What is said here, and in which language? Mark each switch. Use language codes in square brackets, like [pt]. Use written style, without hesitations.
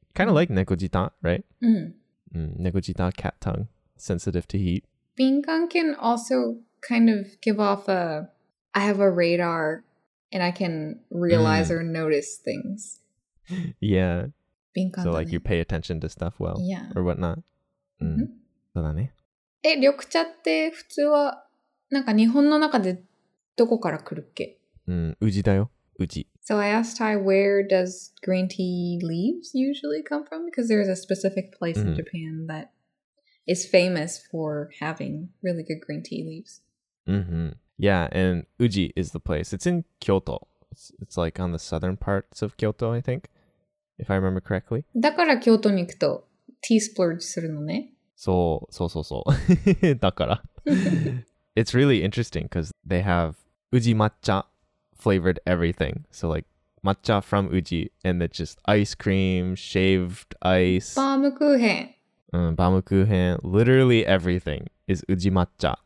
[en] Kind of like nekojita, right? Nekojita, cat tongue. Sensitive to heat. Binkan can also kind of give off a, I have a radar and I can realize or notice things. Yeah. Binkan so like you pay attention to stuff well. Yeah. Or whatnot. [ja] そうだね. え, 緑茶って普通は, なんか日本の中でどこから来るっけ? うじだよ, うじ. [en] So I asked Ty, where does green tea leaves usually come from? Because there's a specific place in Japan that is famous for having really good green tea leaves. Yeah, and Uji is the place. It's in Kyoto. It's like on the southern parts of Kyoto, I think, if I remember correctly. [ja] だから京都に行くとティースプルージするのね? そう、そうそうそう。だから。 [en] It's really interesting because they have Uji matcha flavored everything. So like matcha from Uji and it's just ice cream, shaved ice. [ja] バームクーヘン。 [en] バームクーヘン, literally everything is Uji matcha.